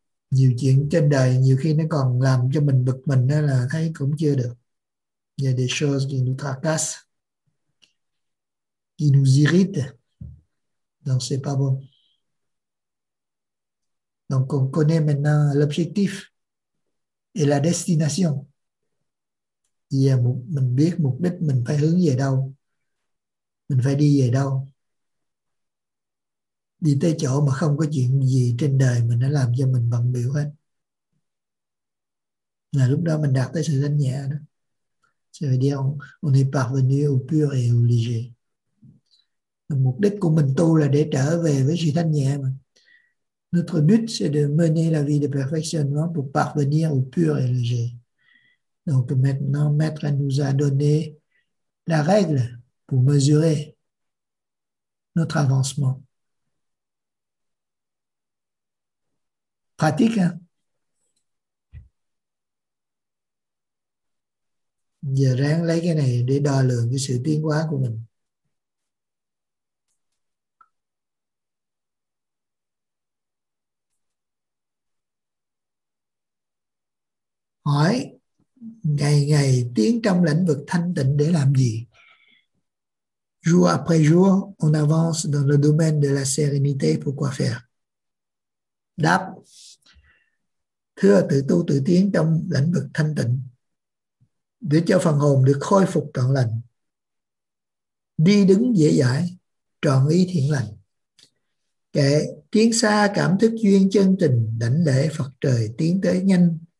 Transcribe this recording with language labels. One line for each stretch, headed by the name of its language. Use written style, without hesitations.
Vietnamese: Nhiều chuyện trên đời nhiều khi nó còn làm cho mình bực mình đó là thấy cũng chưa được.
French: Il y a des choses qui nous tracassent, qui nous irritent. Donc, ce n'est pas bon. Donc, on connaît maintenant l'objectif et la destination. Il y a
Vietnamese: mình biết mục đích mình phải hướng về đâu. Mình phải đi về đâu. Đi tới chỗ mà không có chuyện gì trên đời mà nó làm cho mình bận biểu hết. Là lúc đó mình đạt tới sự thanh nhẹ đó.
French: Ça veut dire qu'on est parvenu au pur et au léger.
Vietnamese: Le mục đích của mình tu là để trở về với sự thanh nhẹ.
French: Notre but, c'est de mener la vie de perfectionnement pour parvenir au pur et léger. Donc maintenant, Maître nous a donné la règle pour mesurer notre avancement. Pratique, hein?
Vietnamese: Giờ ráng lấy cái này để đo lường cái sự tiến hóa của mình. Hỏi, ngày ngày tiến trong lĩnh vực thanh tịnh để làm gì?
French: Jour après jour, on avance dans le domaine de la sérénité, pourquoi faire?
Vietnamese: Đáp, thưa tự tu tự tiến trong lĩnh vực thanh tịnh, để cho phần hồn được khôi phục trọn lành, đi đứng dễ dãi, trọn ý thiện lành. Kệ, tiến xa cảm thức duyên chân tình, đảnh lễ Phật trời tiến tới nhanh.